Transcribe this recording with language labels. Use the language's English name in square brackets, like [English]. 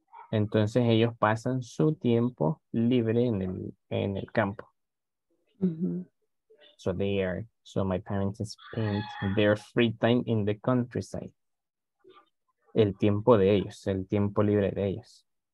[Spanish] Entonces ellos pasan su tiempo libre en el campo. [English] So my parents spent their free time in the countryside. [Spanish] El tiempo de ellos, el tiempo libre de ellos.